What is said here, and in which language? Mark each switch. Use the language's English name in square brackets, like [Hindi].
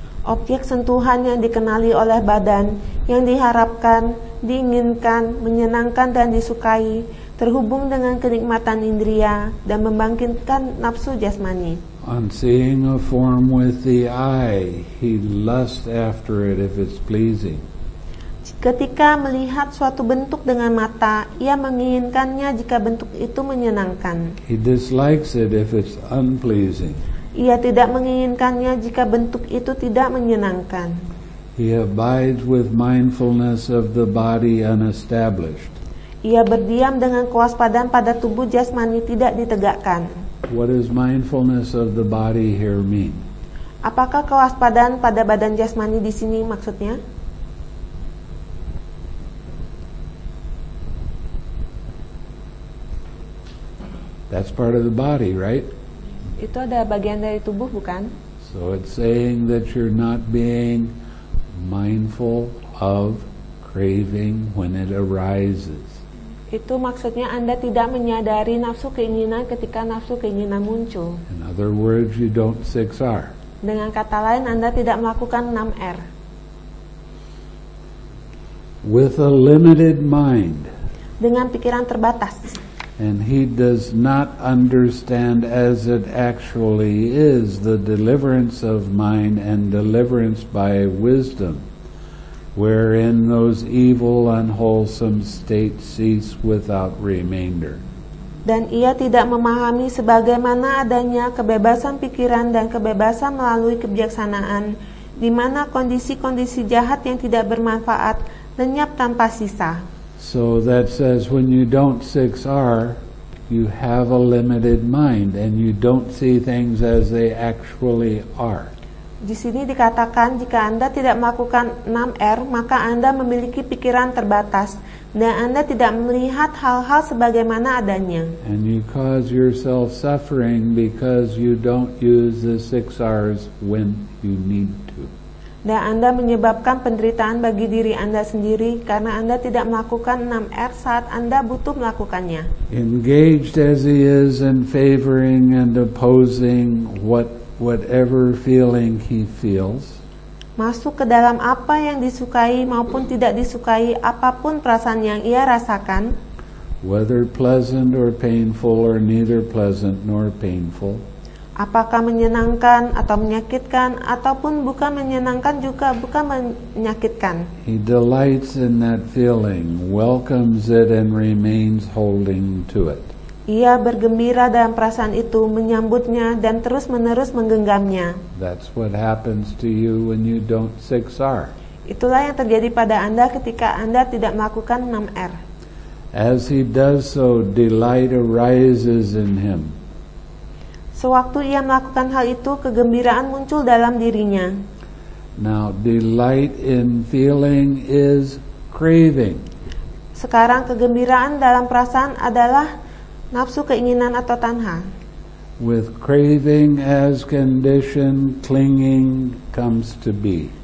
[Indonesian] Objek sentuhan yang dikenali oleh badan, yang diharapkan, diinginkan, menyenangkan dan disukai, terhubung dengan kenikmatan indria dan membangkitkan nafsu jasmani. [English] On seeing a form with the eye, he lusts after it if it's pleasing. [Indonesian] Ketika melihat suatu bentuk dengan mata, ia menginginkannya jika bentuk itu menyenangkan. [English] He dislikes it if it's unpleasing. [Indonesian] Ia tidak menginginkannya jika bentuk itu tidak menyenangkan. [English] He abides with mindfulness of the body unestablished. [Indonesian] Ia berdiam dengan kewaspadaan pada tubuh jasmani tidak ditegakkan. [English] What does mindfulness of the body here mean? [Indonesian] Apakah kewaspadaan pada badan jasmani di sini maksudnya? [English] That's part of the body, right? [Indonesian] Itu ada bagian dari tubuh, bukan? [English] So it's saying that you're not being mindful of craving when it arises. [Indonesian] Itu maksudnya Anda tidak menyadari nafsu keinginan ketika nafsu keinginan muncul. [English] In other words, you don't 6R. [Indonesian] Dengan kata lain, Anda tidak melakukan 6R. [English] With a limited mind. [Indonesian] Dengan pikiran terbatas. [English] And he does not understand as it actually is the deliverance of mind and deliverance by wisdom. Wherein those evil unwholesome states cease without remainder. [Indonesian] Dan ia tidak memahami sebagaimana adanya kebebasan pikiran dan kebebasan melalui kebijaksanaan, di mana kondisi-kondisi jahat yang tidak bermanfaat lenyap tanpa sisa. [English] So that says when you don't 6R, you have a limited mind and you don't see things as they actually are. [Indonesian] Di sini dikatakan jika Anda tidak melakukan 6R, maka Anda memiliki pikiran terbatas dan Anda tidak melihat hal-hal sebagaimana adanya. [English] And you cause yourself suffering because you don't use the 6Rs when you need to. [Indonesian] Dan Anda menyebabkan penderitaan bagi diri Anda sendiri karena Anda tidak melakukan 6R saat Anda butuh melakukannya. [English] Engaged as he is in favoring and opposing whatever feeling he feels. [Indonesian] Masuk ke dalam apa yang disukai maupun tidak disukai, apapun perasaan yang ia rasakan. [English] Whether pleasant or painful or neither pleasant nor painful. [Indonesian] Apakah menyenangkan atau menyakitkan ataupun bukan menyenangkan juga bukan menyakitkan. [English] He delights in that feeling, welcomes it and remains holding to it. [Indonesian] Ia bergembira dalam perasaan itu, menyambutnya dan terus-menerus menggenggamnya. [English] That's what happens to you when you don't 6R. [Indonesian] Itulah yang terjadi pada Anda ketika Anda tidak melakukan 6R. [English] As he does so, delight arises in him. [Indonesian] Sewaktu ia melakukan hal itu, kegembiraan muncul dalam dirinya. [English] Now, delight in feeling is craving. [Indonesian] Sekarang kegembiraan dalam perasaan adalah nafsu keinginan atau tanha. [English] With craving as condition, clinging comes to be.